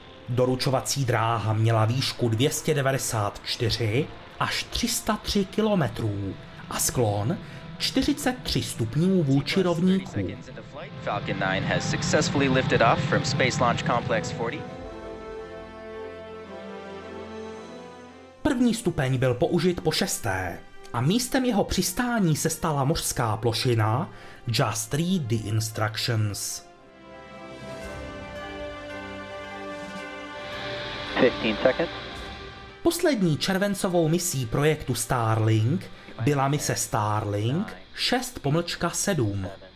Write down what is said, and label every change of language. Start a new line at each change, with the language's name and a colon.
Czech: Doručovací dráha měla výšku 294 až 303 kilometrů a sklon 43 stupňů vůči rovníku.
English: Falcon 9 has successfully lifted off from Space Launch Complex 40.
Czech: První stupeň byl použit po šesté a místem jeho přistání se stala mořská plošina Just Read the Instructions.
English: 15 seconds.
Czech: Poslední červencovou misí projektu Starlink byla mise Starlink 6-7.